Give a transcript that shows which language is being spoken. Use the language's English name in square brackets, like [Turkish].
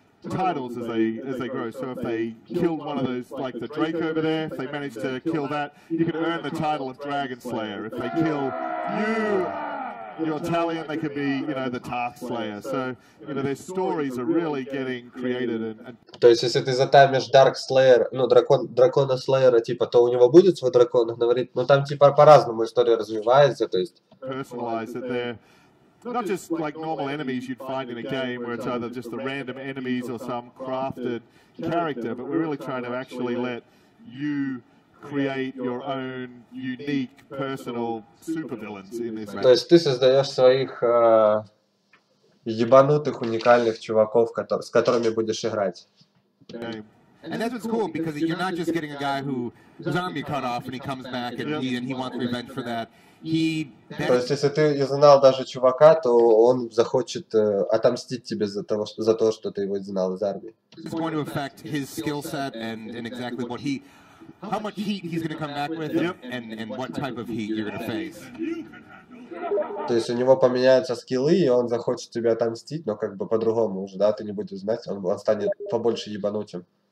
[English] titles as they grow. So if they kill one of those, like the Drake over there, if they manage to kill that, you can earn the title of Dragon Slayer. If they kill you, your Talion, they could be, you know, the Task Slayer. So, you know, their stories are really getting created. [Russian] То есть, если ты затаймишь Dark Slayer, ну, дракона Слеера, типа, то у него будет свой дракон, говорит, ну, там, типа, по-разному история развивается, то есть... [English] Personalize it there. Not just like normal enemies you'd find in a game where it's either just the random enemies or some crafted character, but we're really trying to actually let you create your own unique personal supervillains in this [Russian] game. То есть ты создаешь своих ебанутых уникальных чуваков, с которыми будешь играть. [English] And that's what's cool, because you're not just getting a guy who his army cut off and he comes back and he wants revenge for that. [Russian] То есть, если ты изгнал даже чувака, то он захочет отомстить тебе за то, что ты его изгнал из армии. То есть, у него поменяются скиллы, и он захочет тебя отомстить, но как бы по-другому уже, да, ты не будешь знать, он станет побольше ебанутым.